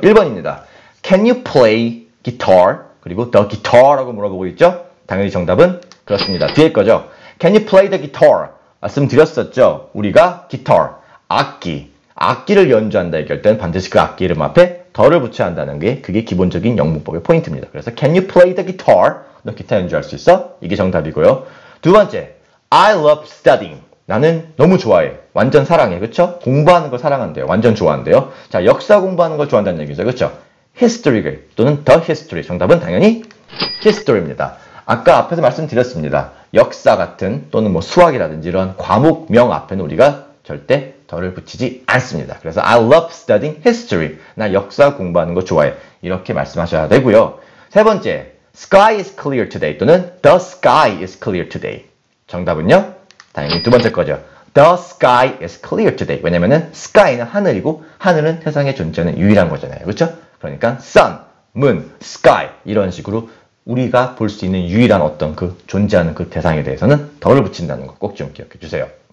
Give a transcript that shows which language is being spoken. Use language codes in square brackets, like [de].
[ko] 1번입니다. [en] Can you play guitar? [ko] 그리고 the guitar라고 물어보고 있죠? 당연히 정답은 그렇습니다. 뒤에 거죠. [en] Can you play the guitar? [ko] 말씀드렸었죠. 우리가 guitar, 악기, 악기를 연주한다 얘기할 때는 반드시 그 악기 이름 앞에 덜을 붙여야 한다는 게 그게 기본적인 영문법의 포인트입니다. [en] 그래서 Can you play the guitar? [ko] 너 기타 연주할 수 있어? 이게 정답이고요. 두 번째, [en] I love studying. [ko] 나는 너무 좋아해. 완전 사랑해. 그쵸? 공부하는 걸 사랑한대요. 완전 좋아한대요. 자, 역사 공부하는 걸 좋아한다는 얘기죠. 그쵸? [en] History 또는 The History. [ko] 정답은 당연히 History입니다. 아까 앞에서 말씀드렸습니다. 역사 같은 또는 뭐 수학이라든지 이런 과목명 앞에는 우리가 절대 덜을 붙이지 않습니다. [en] 그래서 I love studying history. [ko] 나 역사 공부하는 거 좋아해. 이렇게 말씀하셔야 되고요. 세 번째, [en] Sky is clear today 또는 The sky is clear today. [ko] 정답은요? 다행히 두 번째 거죠. [en] The sky is clear today. [ko] 왜냐면은 sky는 하늘이고 하늘은 세상에 존재하는 유일한 거잖아요. 그렇죠? 그러니까 sun, moon, sky 이런 식으로 우리가 볼 수 있는 유일한 어떤 그 존재하는 그 대상에 대해서는 덜을 붙인다는 거 꼭 좀 기억해 주세요.